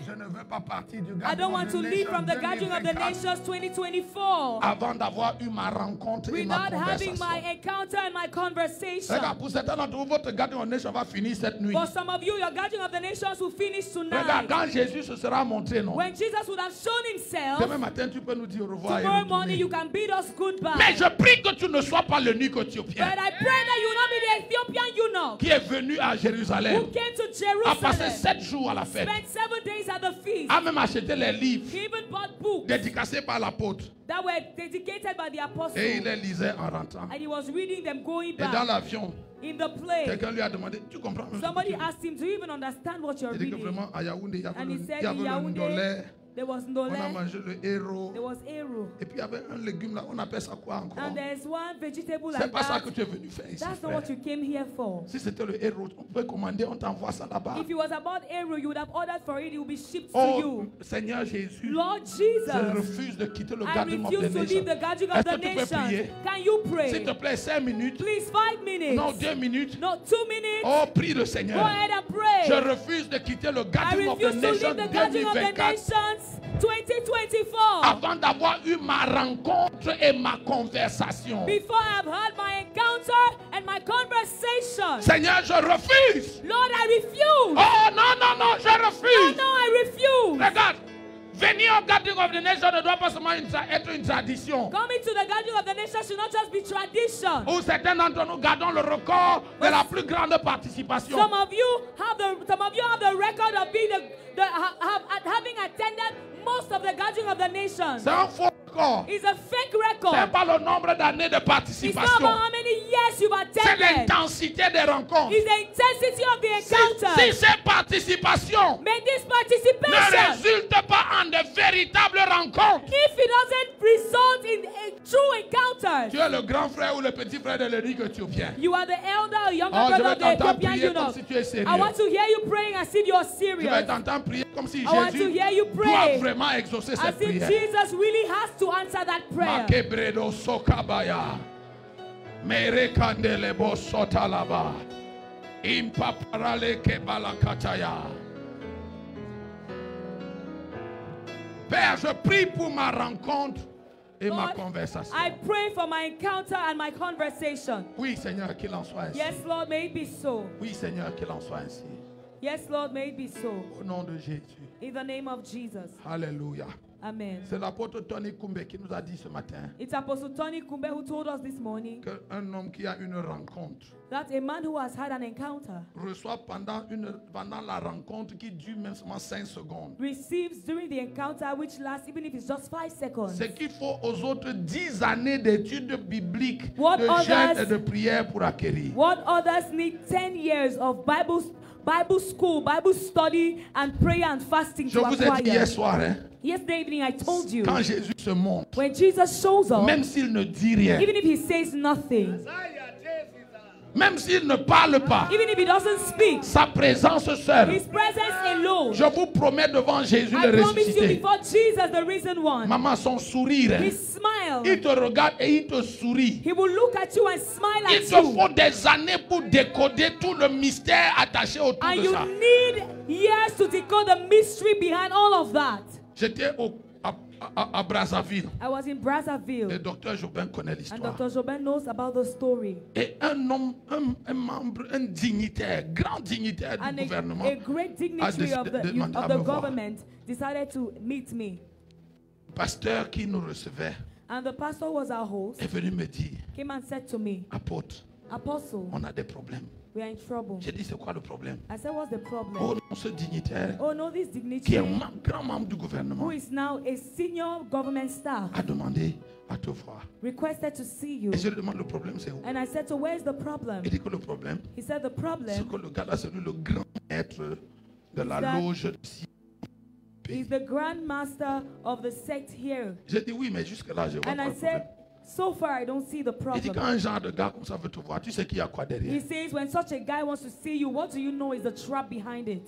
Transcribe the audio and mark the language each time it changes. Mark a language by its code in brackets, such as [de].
[fr] je ne veux pas partir du [en] I don't want to leave from the gathering of the nations 2024 [fr] avant d'avoir eu ma rencontre [en] without [fr] et ma conversation. [en] Having my encounter and my conversation. [fr] Regarde, pour certains d'entre vous, votre gathering of the nations va finir cette nuit. [en] For some of you, your gathering of the nations will finish tonight. [fr] Regarde, quand Jésus se sera montré, non? [en] When Jesus would have shown himself, [fr] demain matin, tu peux nous dire au revoir. [en] Tomorrow morning, you can bid us goodbye. [fr] Mais je prie que tu ne sois pas le nuque éthiopien. [en] But I pray that you will not be the Ethiopian eunuch. [fr] Qui est venu à Jérusalem. [en] Who came to Jerusalem. [fr] A passé 7 jours à la fête. [en] Spent 7 days at the feast. [fr] A même acheté les livres. [en] He even bought books. [fr] Dédicacés par l'apôtre. [en] That were dedicated by the apostle. [fr] Et il les lisait en rentrant. [en] And he was reading them going back. [fr] Et dans l'avion. [en] In the plane. [fr] Quelqu'un lui a demandé, tu comprends? [en] Somebody asked him, do you even understand what you're reading? [fr] Il dit vraiment, à Yaoundé, il y avait le Ndolé. [en] There was Ndolé. [fr] On a mangé le héro. [en] There was héro. [fr] Et puis il y avait un légume là. On appelle ça quoi encore? [en] And there's one vegetable like [fr] c'est pas [en] that. [fr] Ça que tu es venu faire ici. [en] That's not what you came here for. [fr] Si c'était le héro, on pouvait commander, on t'envoie ça là-bas. [en] If it was about héro, you would have ordered for it. It would be shipped oh, to you. [fr] Seigneur Jésus. [en] Lord Jesus. [fr] Je refuse de quitter le gardien de [en] I refuse to [fr] nations. [en] Leave the gardien of the nation. [fr] Est-ce que tu peux prier? [en] Can you pray? [fr] S'il te plaît, 5 minutes. [en] Please, 5 minutes. [fr] Non, 2 minutes. [en] Not 2 minutes. [fr] Oh, prie le Seigneur. [en] Go ahead and pray. [fr] Je refuse de quitter le gardien of the nation. [en] I refuse to leave the [fr] gardien [en] of the nation. 2024. [fr] Avant d'avoir eu ma rencontre et ma conversation. [en] Before I have had my encounter and my conversation. [fr] Seigneur, je refuse. [en] Lord, I refuse. [fr] Oh non non non, je refuse. [en] No, no, I refuse. [fr] Regarde, venir au gathering of the nation ne doit pas seulement être une tradition. [en] Coming to the gathering of the nation should not just be tradition. [fr] Où certains d'entre nous gardons le record de la plus grande participation. [en] Some of you have the record of being having attended most of the gathering of the nation. [fr] C'est un faux record. [en] It's a fake record. [fr] C'est pas le nombre d'années de participation. [en] It's not about how many years you've attended. [fr] C'est l'intensité des rencontres. [en] It's the intensity of the encounter. [fr] Si c'est participation. [en] May this participation. [fr] Ne résulte pas en de véritables rencontres. [en] If it doesn't result in a true encounter. [fr] Tu es le grand frère ou le petit frère de l'Église éthiopienne. [en] You are the elder or younger brother of the Ethiopian eunuch. Si I want to hear you praying as if you are serious. [fr] Je vais t'entendre prier comme si [en] I [fr] Jésus [en] want to hear you pray. [fr] Doit vraiment exaucer cette prière. [en] As if Jesus really has to answer that prayer. Ma kebredo sokabaya. Mere kandele bo sotalaba. Impaparale kebalakataya. [fr] Père, je prie pour ma rencontre et [en] Lord, [fr] ma conversation. [en] I pray for my encounter and my conversation. [fr] Oui, Seigneur, qu'il en soit ainsi. [en] Yes, Lord, may it be so. [fr] Oui, Seigneur, qu'il en soit ainsi. [en] Yes, Lord, may it be so. [fr] Au nom de Jésus. [en] In the name of Jesus. Hallelujah. Amen. [fr] C'est l'apôtre Tony Kumbe qui nous a dit ce matin. [en] It's Apostle Tony Kumbe who told us this morning. [fr] Que un homme qui a une rencontre. [en] That a man who has had an encounter. [fr] Reçoit pendant la rencontre qui dure même seulement 5 secondes. [en] Receives during the encounter which lasts even if it's just 5 seconds. [fr] Ce qu'il faut aux autres 10 années d'études bibliques, de jeûne et de prière pour acquérir. [en] What others need 10 years of Bible school, Bible study, and prayer and fasting [fr] je [en] to [fr] vous [en] acquire. [fr] Ai dit hier soir, hein? [en] Yesterday evening I told you. [fr] Quand Jésus se montre, [en] when Jesus shows up, [fr] même s'il ne dit rien, [en] even if he says nothing, [fr] Même s'il ne parle pas, [en] even if he doesn't speak, [fr] sa présence seule, [en] his presence alone, [fr] je vous promets devant Jésus [en] I [fr] le ressuscité. [en] You before Jesus, the risen one, [fr] maman, son sourire, [en] his smile, [fr] il te regarde et il te sourit. [en] He will look at you and smile [fr] il [en] at [fr] te [en] you. [fr] Faut des années pour décoder tout le mystère attaché autour [en] and [fr] de [en] you [fr] ça. [en] Need years to decode the mystery behind all of that. [fr] J'étais à Brazzaville. [en] I was in Brazzaville. [fr] Et Dr Jobin connaît l'histoire. [en] And Dr Jobin knows about the story. [fr] Et un homme, un membre, un dignitaire, grand dignitaire [en] and [fr] du gouvernement, [en] a great dignitary of the government, [fr] voir. [en] Decided to meet me. [fr] Pasteur qui nous recevait. [en] And the pastor was our host. [fr] Est venu me dire. [en] Came and said to me. [fr] Apôtre. [en] Apostle. [fr] On a des problèmes. [en] We are in trouble. [fr] J'ai dit, c'est quoi le problème? [en] I said, what's the problem? [fr] Oh non, ce dignitaire, [en] oh, no, this dignitary, [fr] qui est un grand membre du gouvernement, [en] who is now a senior government staff, [fr] a demandé à te voir. [en] Requested to see you. [fr] Et je lui demande, le problème, c'est où? [en] And I said, so where is the problem? [fr] Il dit que le problème, [en] he said, the problem, [fr] c'est que le gars-là, c'est lui, le grand maître de la loge de si. [en] He's the grand master of the sect here. [fr] J'ai dit, oui, mais jusque-là, je vois [en] and [fr] pas [en] I [fr] le [en] said, [fr] problème. [en] So far, I don't see the problem. [fr] Il dit, quand un genre de gars comme ça veut te voir, tu sais qu'il y a quoi derrière. [en] He says, when such a guy wants to see you, what do you know is the trap behind it?